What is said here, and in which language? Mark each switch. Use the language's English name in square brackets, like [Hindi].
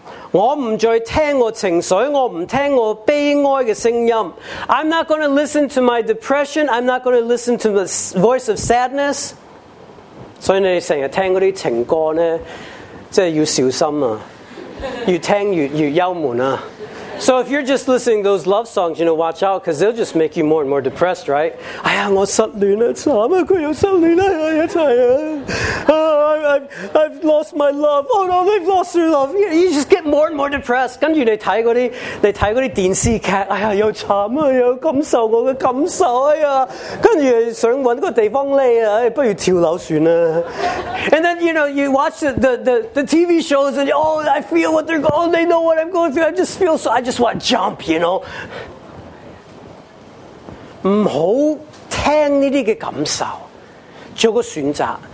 [Cantonese] 我唔再听我情绪，我唔听我悲哀嘅声音。 [English] I'm not going to listen to my depression. I'm not going to listen to the voice of sadness. [Cantonese] 所以你成日听嗰啲情歌咧，即系要小心啊，越听越忧闷啊。 [English] So if you're just listening to those love songs, you know, watch out, because they'll just make you more and more depressed, right? [Cantonese] 哎呀，我失恋啊，惨啊，佢又失恋啊，一齐啊 ， [English] I've lost my love. Oh no, they've lost their love. You just get more and more depressed. [Cantonese] 跟住你睇嗰啲电视剧，哎呀，又惨啊，又感受我嘅感受，哎呀，跟住想揾个地方匿啊，哎，不如跳楼算啦。 [English] And then you know you watch the TV shows and oh, I feel what they're going. Oh, they know what I'm going through. I just want to jump, you know. [Cantonese] 唔好听呢啲嘅感受，做个选择。